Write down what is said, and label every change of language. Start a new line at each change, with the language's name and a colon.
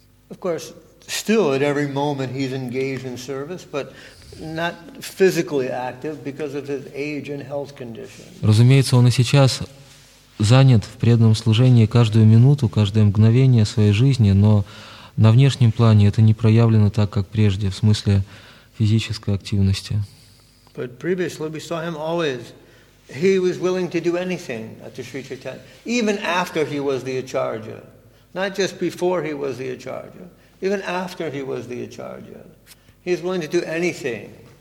English: Of course, still, at every moment, he's engaged in service, but not physically active because of his age and health condition.
Russian: Разумеется, он и сейчас занят в преданном служении каждую минуту, каждое мгновение своей жизни, но на внешнем плане это не проявлено так, как прежде, в смысле физической активности.
English: But previously, we saw him always. He was willing to do anything at the Sri Chaitanya, even after he was the Acharya, not just before he was the Acharya. Even after he was the Acharya, he is willing to do anything.